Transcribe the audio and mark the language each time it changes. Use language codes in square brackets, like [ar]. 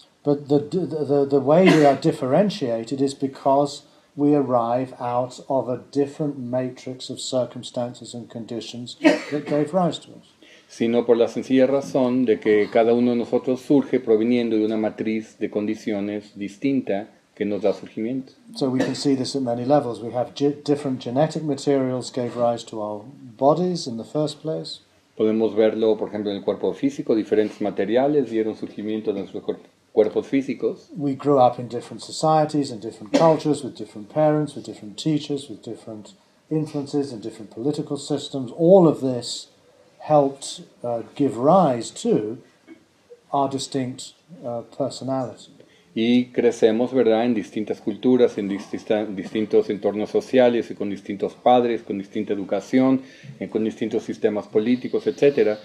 [en] But the way we are differentiated is because we arrive out of a different matrix of circumstances and conditions that gave rise to us. [es] Sino por la sencilla razón de que cada uno de nosotros surge proviniendo de una matriz de condiciones distinta que nos da surgimiento. [en] So we can see this at many levels. We have different genetic materials gave rise to our bodies in the first place. [es] Podemos verlo, por ejemplo, en el cuerpo físico. Diferentes materiales dieron surgimiento a nuestros cuerpos físicos. [en] We grew up in different societies and different cultures with different parents, with different teachers, with different influences and different political systems. All of this helped give rise to our distinct personality. [es] Y crecemos, ¿verdad?, en distintas culturas, en distintos entornos sociales, y con distintos padres, con distinta educación, con distintos sistemas políticos, etc.